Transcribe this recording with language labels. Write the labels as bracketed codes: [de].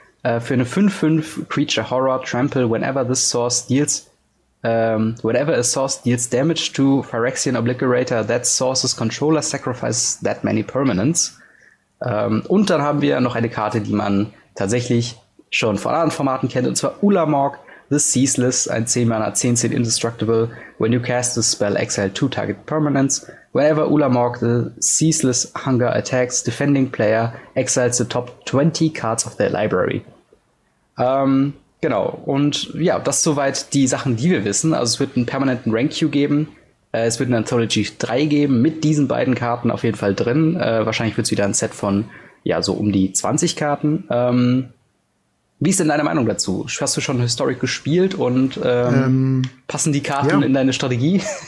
[de] Für eine [en] 5-5 Creature Horror Trample, whenever a source deals damage to Phyrexian Obliterator, that source's controller sacrifices that many permanents. [de] Und dann haben wir noch eine Karte, die man tatsächlich schon von anderen Formaten kennt, und zwar Ulamog, the Ceaseless, ein 10-Mana, 10-10 Indestructible. [en] When you cast the spell, exile 2 target permanents. Whenever Ulamog, the Ceaseless Hunger attacks, defending player exiles the top 20 cards of their library. [de] Genau, und ja, das soweit die Sachen, die wir wissen. Also es wird einen permanenten Rank Queue geben, es wird eine Anthology 3 geben, mit diesen beiden Karten auf jeden Fall drin. Wahrscheinlich wird es wieder ein Set von, ja, so um die 20 Karten. Wie ist denn deine Meinung dazu? Hast du schon Historic gespielt und passen die Karten in deine Strategie?